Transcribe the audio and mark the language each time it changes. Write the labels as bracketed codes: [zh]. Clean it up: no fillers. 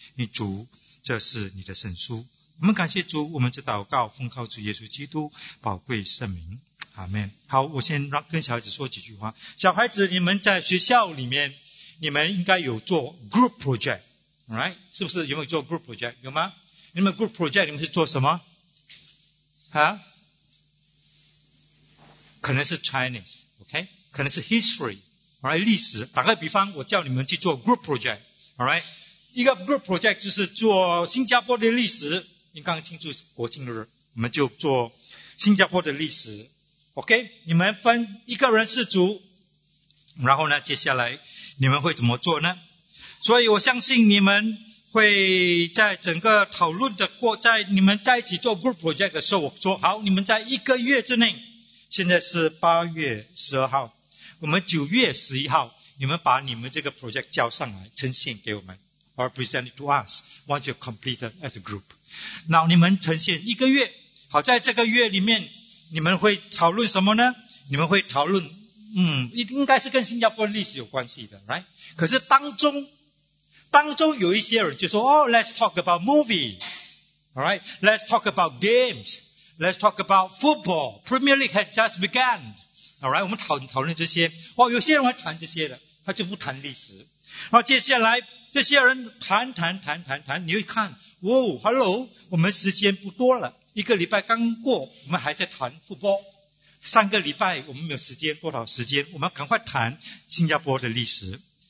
[zh] 你主，这是你的圣书。我们感谢主，我们这祷告奉靠主耶稣基督宝贵圣名，阿们。好，我先让跟小孩子说几句话。小孩子，你们在学校里面，你们应该有做 group project， right？是不是有没有做 group project？有吗？你们 group project 你们是做什么？啊？可能是 Chinese， OK？ 可能是 history， right？历史。打个比方，我叫你们去做 group project， right？ 一个 group project 就是做新加坡的历史。你刚刚庆祝国庆日，我们就做新加坡的历史， OK？你们分一个人四组，然后呢，接下来你们会怎么做呢？所以我相信你们会在整个讨论的过，在你们在一起做 group project 的时候，我说好，你们在一个月之内，现在是8月12号，我们9月11号，你们把你们这个 project 交上来，呈现给我们， [en] or present it to us once you completed as a group。 [zh] 那你们呈现一个月，好，在这个月里面你们会讨论什么呢？你们会讨论应该是跟新加坡历史有关系的 ，right？ [en] 可是当中有一些人就说，哦、，let's talk about movies，all right？Let's talk about games，let's talk about football，Premier League has just begun， [zh] 好来，我们讨论这些。哇，有些人还谈这些的，他就不谈历史。然后接下来这些人谈，你会看，哦 ，Hello， 我们时间不多了，一个礼拜刚过，我们还在谈复播。上个礼拜我们没有时间，多少时间？我们赶快谈新加坡的历史。